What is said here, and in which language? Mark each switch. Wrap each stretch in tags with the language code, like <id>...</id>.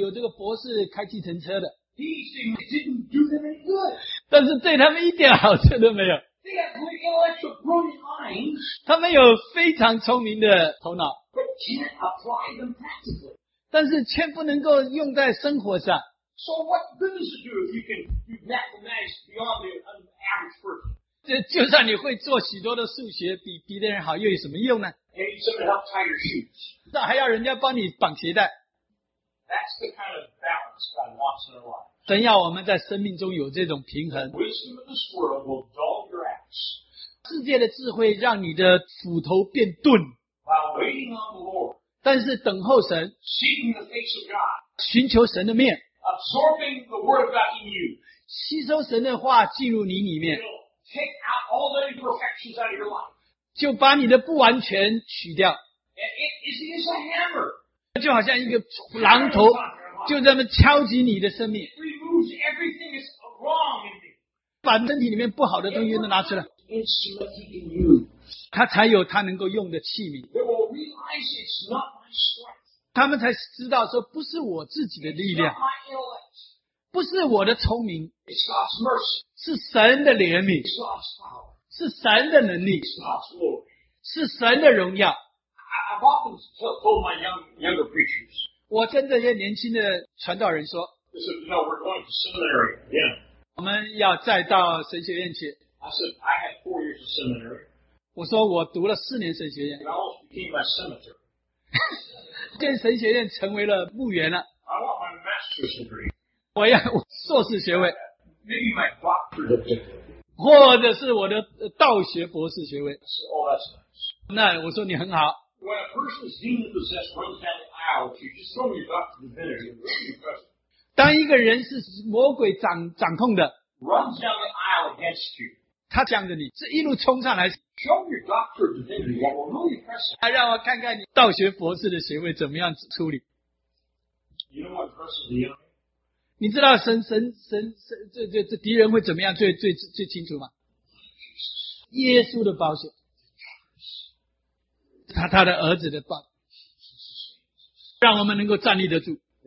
<zh>我们在纽约有这个博士开计程车的。</zh> <en>PhDs didn't do them any good.</en> <zh>但是对他们一点好处都没有。</zh> <en>They have great intellectual brilliant minds.</en> <zh>他们有非常聪明的头脑。</zh> <en>But can't apply them practically.</en> <zh>但是却不能够用在生活上。</zh> <en>So what good does it do if you can do mathematics beyond the average person?</en> <zh>就算你会做许多的数学比别人好又有什么用呢?</zh> <en>And you need someone to help tie your shoes.</en> <zh>那还要人家帮你绑鞋带。</zh> <en>That's the kind of balance God wants in our lives.</en> <zh>等要我们在生命中有这种平衡。</zh> <en>The wisdom of this world will dull your axe.</en> <zh>世界的智慧让你的斧头变钝。</zh> <en>While waiting on the Lord.</en> <zh>但是等候神。</zh> <en>Seeking the face of God.</en> <zh>寻求神的面。</zh> <en>Absorbing the word of God in you.</en> <zh>吸收神的话进入你里面。</zh> <en>Take out all the imperfections out of your life.</en> <zh>就把你的不完全取掉。</zh> <en>It is a hammer.</en> <zh>就好像一个榔头, 就这么敲击你的生命。</zh> <en>It removes everything that's wrong in you.</en> <zh>把身体里面不好的东西都拿出来。</zh> <en>Instrument in you.</en> <zh>他才有他能够用的器皿。</zh> <en>They will realize it's not my strength.</en> <zh>他们才知道说不是我自己的力量, 不是我的聪明, 是神的怜悯, 是神的能力, 是神的荣耀。</zh> <en>I've often told my younger preachers,</en> <zh>我跟这些年轻的传道人说,</zh> <en>no, we're going to seminary again.</en> <zh>我们要再到神学院去。</zh> <en>I said, I had 4 years of seminary.</en> <zh>我说我读了4年神学院。</zh> <en>It almost became my cemetery.</en> <zh>建神学院成为了墓园了。</zh> <en>I want my master's degree.</en> <zh>我要硕士学位。</zh> <en>Maybe my doctor's degree.</en> <zh>或者是我的道学博士学位。</zh> <en>Oh, that's nice.</en> <zh>那我说你很好。</zh> <en>When a person is demon possessed, runs down the aisle, if you just throw me your doctor's divinity, you're really impressed.</en> <zh>当一个人是魔鬼掌控的,</zh> <en>runs down the aisle against you.</en> <zh>他向着你, 这一路冲上来,</zh> <en>show me your doctor of divinity, what will really impress you?</en> <zh>让我看看你道学博士的学位怎么样处理。</zh> <en>You know what impresses the enemy?</en> <zh>你知道神这敌人会怎么样最清楚吗?</zh> <en>Jesus.</en> <zh>耶稣的宝血, 他的儿子的宝, 让我们能够站立得住。</zh>